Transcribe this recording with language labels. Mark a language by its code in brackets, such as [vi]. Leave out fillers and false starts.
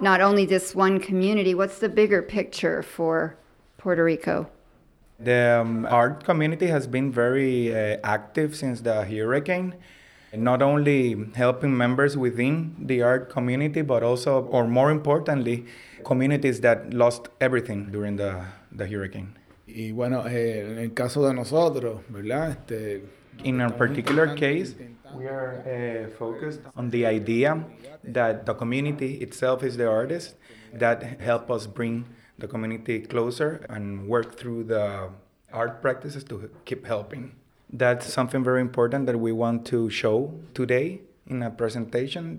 [en] Not only this one community, what's the bigger picture for Puerto Rico? The art community has been very active since the hurricane, not only helping members within the art community, but also, or more importantly, communities that lost everything during the hurricane. [es] Y bueno, en el caso de nosotros, ¿verdad? [en] In our particular case, we are focused on the idea that the community itself is the artist that help us bring the community closer and work through the art practices to keep helping. That's something very important that we want to show today in a presentation.